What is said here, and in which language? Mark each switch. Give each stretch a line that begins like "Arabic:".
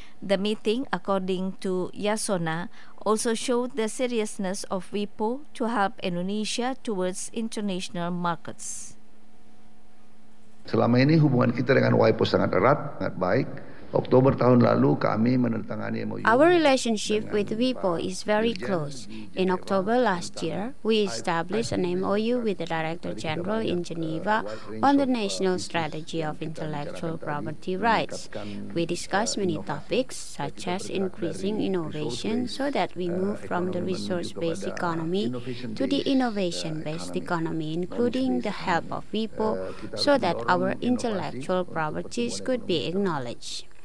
English: The meeting, according to Yasona, also showed the seriousness of WIPO to help Indonesia towards international markets.
Indonesian: Selama ini hubungan kita dengan WIPO sangat erat, sangat baik. Oktober tahun lalu kami menandatangani MOU.
English: Our relationship with WIPO is very close. In October last year, we established an MOU with the Director General in Geneva on the National Strategy of Intellectual Property Rights. We discussed many topics, such as increasing innovation so that we move from the resource-based economy to the innovation-based economy, including the help of WIPO, so that our intellectual properties could be acknowledged.